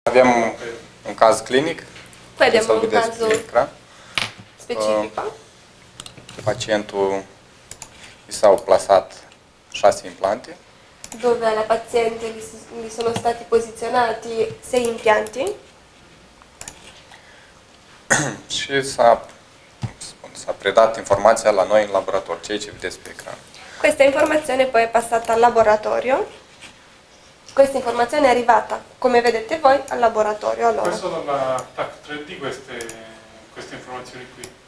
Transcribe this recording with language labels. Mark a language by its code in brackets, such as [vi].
[it] abbiamo un caso clinico. Qui abbiamo un caso specifico. [ro] Pazientul i s-au plasat 6 implanti. [it] Dove la paziente gli sono stati posizionati 6 implanti. [ro] Și s-a predat informația la noi în laborator, ceea ce vedeți pe ecran. [it] Questa informazione poi è passata al laboratorio. Questa informazione è arrivata, come vedete voi, al laboratorio. Allora. Questo sono la TAC 3D, queste informazioni qui.